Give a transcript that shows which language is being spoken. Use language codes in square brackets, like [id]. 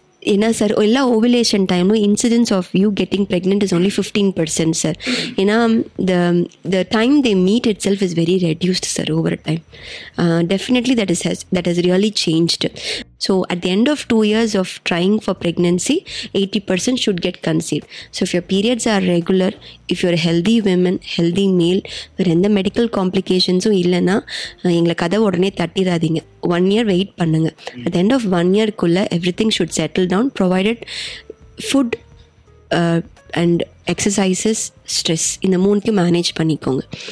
[en] ஏன்னா சார் எல்லா ஓவிலேஷன் டைமும் incidence of you getting pregnant is only 15% sir. ஏன்னா the time they meet itself is very reduced sir over time. Definitely that is really changed. So at the end of 2 years of trying for pregnancy, 80% should get conceived. So if your periods are regular, if you're a healthy woman, healthy male, [ta] வேற எந்த medical காம்ப்ளிகேஷன்ஸும் இல்லைன்னா எங்களை கதை உடனே தட்டிடாதீங்க. 1 year wait பண்ணுங்க. [en] at end of 1 year everything should settle down, provided food and exercises, stress, [ta] இந்த மூணுக்கும் manage பண்ணிக்கோங்க.